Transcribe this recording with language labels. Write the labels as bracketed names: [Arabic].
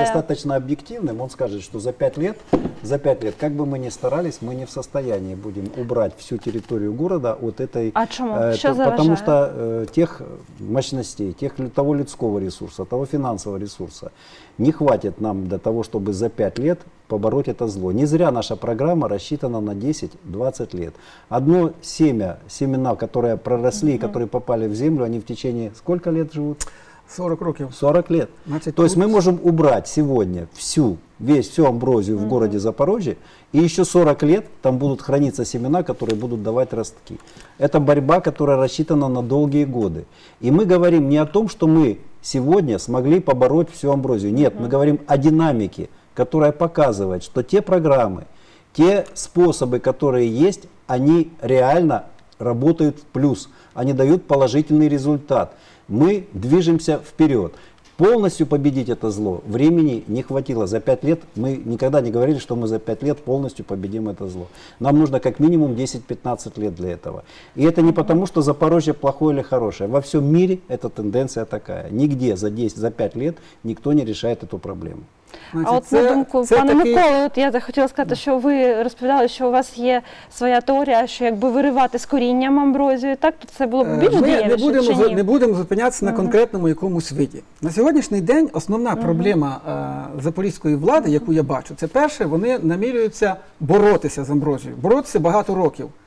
[Ukrainian] Якщо буде достатньо об'єктивним, він скаже, що за 5 років, за 5 років, як би ми не старались, ми не [Russian] в состоянні [Ukrainian] будемо убрати всю територію міста от цієї... А чому? Що заважає? Тому що тих мощностей, того людського ресурсу, того фінансового ресурсу не хватить нам для того, щоб за 5 років [Russian] побороть это зло. Не зря наша программа рассчитана на 10-20 лет. Одно семена, которые проросли, которые попали в землю, они в течение сколько лет живут? [Ukrainian] 40 років. [Russian] 40 лет. Значит, то есть мы можем убрать сегодня всю амброзию в городе Запорожье, и еще 40 лет там будут храниться семена, которые будут давать ростки. Это борьба, которая рассчитана на долгие годы. И мы говорим не о том, что мы сегодня смогли побороть всю амброзию. Нет, мы говорим о динамике, которая показывает, что те программы, те способы, которые есть, они реально работают в плюс, они дают положительный результат. Мы движемся вперед. Полностью победить это зло времени не хватило. За 5 лет мы никогда не говорили, что мы за 5 лет полностью победим это зло. Нам нужно как минимум 10-15 лет для этого. И это не потому, что Запорожье плохое или хорошее. Во всем мире эта тенденция такая. Нигде за 10, за 5 лет никто не решает эту проблему. [Ukrainian] Значить, а от, на думку, пане такий... Миколе, от я хотіла сказати, що ви розповідали, що у вас є своя теорія, що якби виривати з корінням амброзію, так, то це було б більш дієвіше, не будемо, чи ні? Не будемо зупинятися на конкретному якомусь виді. На сьогоднішній день основна проблема запорізької влади, яку я бачу, це перше, вони намірюються боротися з амброзією. Боротися багато років.